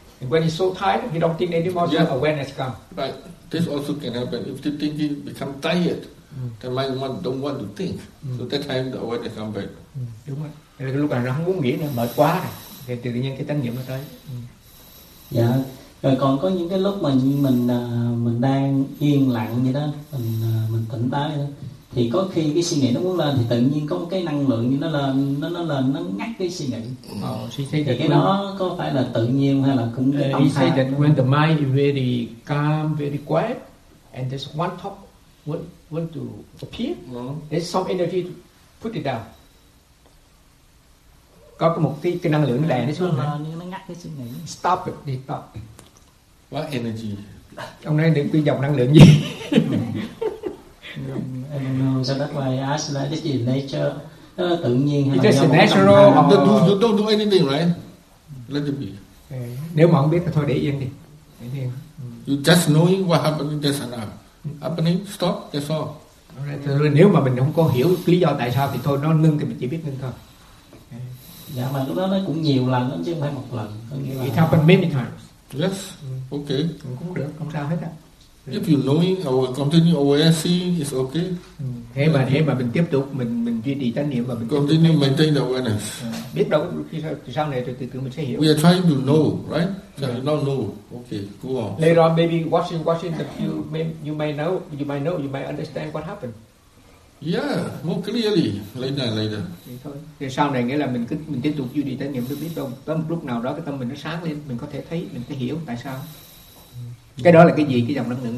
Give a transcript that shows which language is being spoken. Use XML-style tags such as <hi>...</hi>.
<en>And when he's so tired, he don't think anymore, yeah. So awareness comes. But this also can happen. If the thinking become tired, the mind don't want to think. So that time, the awareness comes back.</en> <vi>Đúng rồi. Cái lúc này nó không muốn nghĩ nữa, mệt quá rồi. Thì tự nhiên cái tánh niệm nó tới. Dạ. Rồi còn có những cái lúc mà như mình đang yên lặng vậy đó, mình tỉnh táo vậy đó. Thì có khi cái suy nghĩ nó muốn lên thì tự nhiên có một cái năng lượng như nó lên nó ngắt cái suy nghĩ. Thì cái đó có phải là tự nhiên hay là cũng cái tâm thái?</vi> <en>That when the mind is very calm, very quiet, and there's one thought want to appear, there's some energy to put it down.</en> <vi>Có một cái năng lượng đè nó xuống nên nó ngắt cái suy nghĩ.</vi> <en>Stop it, đi stop. What energy?</en> <vi>Ông nói đừng quy dòng năng lượng gì.</vi> <en>So that's why I ask that, it's in nature.</en> <vi>Tự nhiên hay là</vi> <en>you don't do anything, right? Let it be.</en> <vi>Nếu mà không biết thì thôi để yên đi.</vi> <en>You just knowing what happening just now. Happening, stop, that's all. All right.</en> <vi>Nếu mà mình không có hiểu lý do tại sao thì thôi, nó ngưng thì mình chỉ biết ngưng thôi. Dạ, mà lúc đó nó cũng nhiều lần lắm chứ không phải một lần.</vi> <en>It happened many times. Yes, okay.</en> <vi>Cũng được, không sao hết á.</vi> <en>If you knowing our continue awareness, it's okay.</en> <vi>Thế mà mình tiếp tục mình duy trì chánh niệm và mình</vi> <en>continue maintain awareness.</en> <vi>Biết đâu khi sau này từ từ mình sẽ hiểu.</vi> <en>We are trying to know, right? Yeah. So not know. Okay, go on. Later on, maybe watching the few, you might know, you might understand what happened. Yeah, more clearly later.</en> <vi>Thôi. Thì sau này nghĩa là mình tiếp tục duy trì chánh niệm, mình biết đâu tới một lúc nào đó cái tâm mình nó sáng lên, mình có thể thấy, mình có hiểu tại sao. Cái đó là cái gì, cái dòng năng lượng</vi>